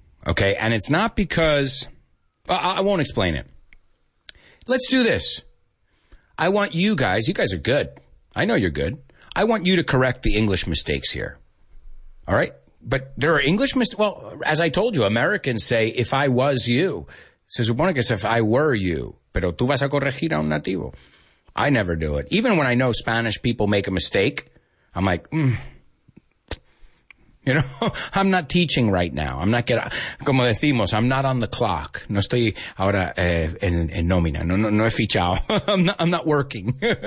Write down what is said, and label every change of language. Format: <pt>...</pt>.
<en>Okay, and it's not because, I won't explain it. Let's do this. I want you guys are good. I know you're good. I want you to correct the English mistakes here. All right, But there are English mistakes. Well, as I told you, Americans say, if I was you.</en> <es>Se supone que es</es> <en>if I were you.</en> <es>Pero tú vas a corregir a un nativo.</es> <en>I never do it. Even when I know Spanish people make a mistake, I'm like, You know, I'm not teaching right now. I'm not getting, como decimos, I'm not on the clock.</en> <es>No estoy ahora en nómina. No he fichado.</es> <en>I'm not working.</en>